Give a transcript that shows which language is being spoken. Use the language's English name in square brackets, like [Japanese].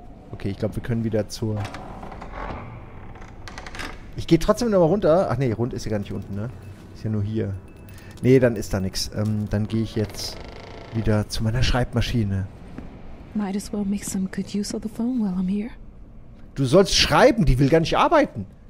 [German] Okay, ich glaube, wir können wieder zur... Ich gehe trotzdem nochmal runter. Ach nee, rund ist ja gar nicht unten, ne? Ist ja nur hier. Nee, dann ist da nichts. Dann gehe ich jetzt wieder zu meiner Schreibmaschine. [English] Might as well make some good use of the phone while I'm here. [German] Du sollst schreiben, die will gar nicht arbeiten.